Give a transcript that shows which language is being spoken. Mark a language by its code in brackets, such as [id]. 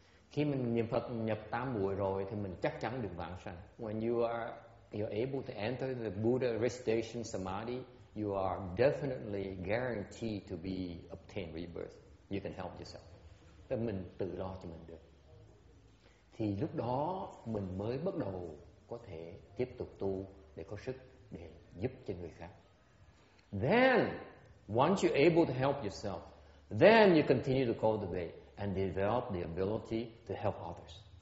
[vi] Khi mình niệm Phật nhập tam muội rồi thì mình chắc chắn được vãng sanh. [en] When you're able to enter the Buddha Recitation Samadhi, you are definitely guaranteed to be obtain rebirth. You can help yourself. [vi] Tức mình tự lo cho mình được. Thì lúc đó mình mới bắt đầu có thể tiếp tục tu để có sức để giúp cho người khác. [en] Then, once you're able to help yourself, then you continue to cultivate and develop the ability to help others.